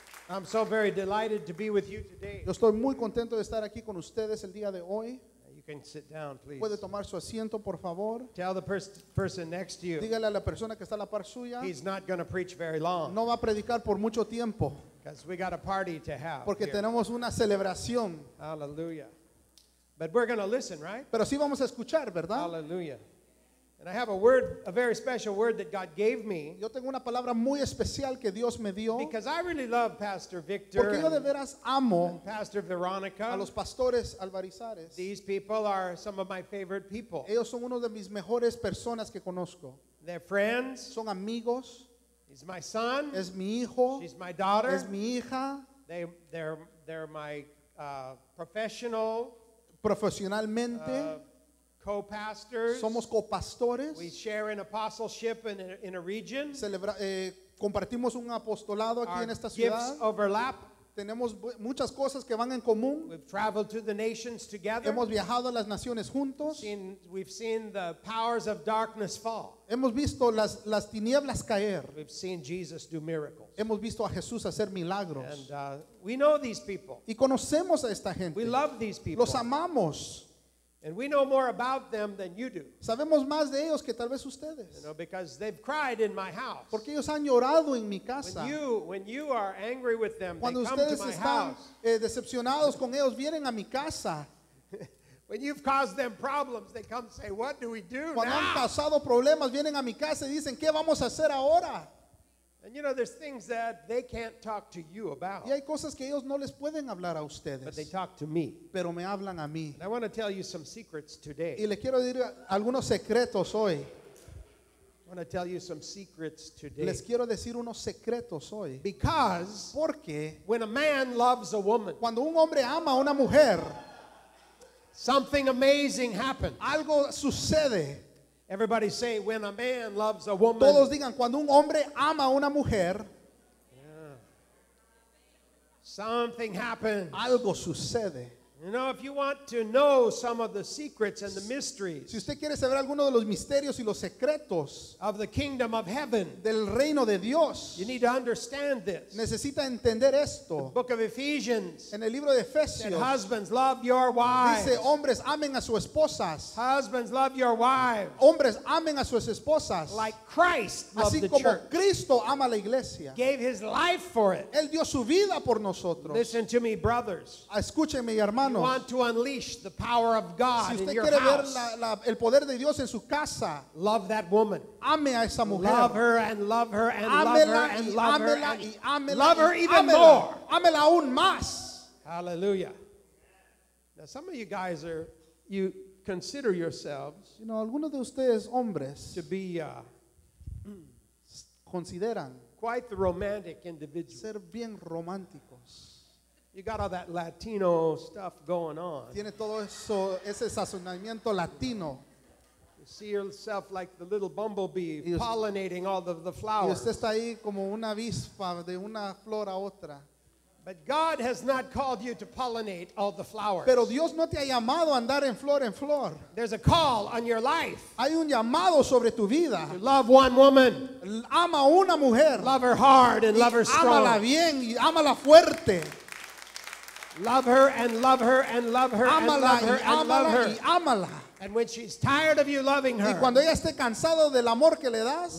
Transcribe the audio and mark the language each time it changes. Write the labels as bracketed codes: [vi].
[en] I'm so very delighted to be with you today. [es] Yo estoy muy contento de estar aquí con ustedes el día de hoy. [en] You can sit down, please. [es] Puede tomar su asiento, por favor. [en] Tell the person next to you. [es] Dígale a la persona que está a la par suya. [en] He's not going to preach very long. [es] No va a predicar por mucho tiempo. [en] Because we got a party to have. [es] Porque tenemos una celebración. [en] Hallelujah. But we're going to listen, right? [es] Pero sí vamos a escuchar, ¿verdad? [en] Hallelujah. And I have a word, a very special word that God gave me. [es] Yo tengo una palabra muy especial que Dios me dio. [en] Because I really love Pastor Victor. [es] Porque yo de veras amo [en] Pastor Veronica. [es] A los pastores Alvarizares. [en] These people are some of my favorite people. [es] Ellos son uno de mis mejores personas que conozco. [en] They're friends. [es] Son amigos. [en] He's my son. [es] Es mi hijo. [en] She's my daughter. [es] Es mi hija. [en] They're my professional. [es] Profesionalmente. [en] Co-pastors. [es] Somos copastores. [en] We share an apostleship in a region. [es] Compartimos un apostolado aquí [en] Our [es] en esta ciudad. [en] Gifts overlap. [es] Tenemos muchas cosas que van en común. [en] We've traveled to the nations together. [es] Hemos viajado a las naciones juntos. [en] We've seen the powers of darkness fall. [es] Hemos visto las tinieblas caer. [en] We've seen Jesus do miracles. [es] Hemos visto a Jesús hacer milagros. [en] And we know these people. [es] Y conocemos a esta gente. [en] We love these people. [es] Los amamos. [en] And we know more about them than you do. [es] Sabemos más de ellos que tal vez ustedes. [en] You know, because they've cried in my house. [es] Porque ellos han llorado en mi casa. [en] When you are angry with them, [es] cuando [en] they come to my [es] están, [en] house. [es] Decepcionados con ellos, vienen a mi casa. [en] When you've caused them problems, they come and say, "What do we do [es] cuando Cuando han causado problemas, vienen a mi casa y dicen, "¿Qué vamos a hacer ahora?" [en] And you know, there's things that they can't talk to you about. [es] Y hay cosas que ellos no les pueden hablar a ustedes. [en] But they talk to me. [es] Pero me hablan a mí. [en] And I want to tell you some secrets today. [es] Y le quiero decir algunos secretos hoy. [en] I want to tell you some secrets today. [es] Les quiero decir unos secretos hoy. [en] Because [es] porque [en] when a man loves a woman, [es] cuando un hombre ama a una mujer, [en] something amazing happens. [es] Algo sucede. [en] Everybody say, when a man loves a woman. [es] Todos digan, cuando un hombre ama a una mujer, [en] something happens. [es] Algo sucede. [en] You know, if you want to know some of the secrets and the mysteries, [es] si usted quiere saber alguno de los misterios y los secretos [en] of the kingdom of heaven, [es] del reino de Dios, [en] you need to understand this. [es] Necesita entender esto. [en] The book of Ephesians, [es] en el libro de Efesios, [en] husbands love your wives. [es] Dice, hombres amen a sus esposas. [en] Husbands love your wives. [es] Hombres amen a sus esposas. [en] Like Christ loved the church. [es] Así como Cristo ama la iglesia. [en] Gave his life for it. [es] Él dio su vida por nosotros. [en] Listen to me, brothers. [es] Escúchenme, hermanos. [en] You want to unleash the power of God [es] si [en] in your house. [es] Ver el poder de Dios en su casa, [en] love that woman. [es] Ame a esa mujer. [en] Love her and love her and [es] amela [en] love her and love [es] Y amela [en] love her [es] y [en] even [es] amela. [en] More. [es] Amela aún más. [en] Hallelujah. Now some of you guys are, you consider yourselves, you know, [es] algunos de ustedes hombres, [en] to be, [es] consideran [en] quite the romantic individual. [es] Ser bien románticos. [en] You got all that Latino stuff going on. [es] Tiene todo eso, ese sazonamiento latino. [en] You see yourself like the little bumblebee pollinating all the flowers. [es] Y usted está ahí como una avispa de una flor a otra. [en] But God has not called you to pollinate all the flowers. [es] Pero Dios no te ha llamado a andar en flor en flor. [en] There's a call on your life. [es] Hay un llamado sobre tu vida. [en] You love one woman. [es] Ama una mujer. [en] Love her hard and love her strong. [es] Ámala bien y ámala fuerte. [en] Love her and love her and love her and love her and love her. [es] Amala. [en] And when she's tired of you loving her, [es] y cuando ella esté cansado del amor que le das,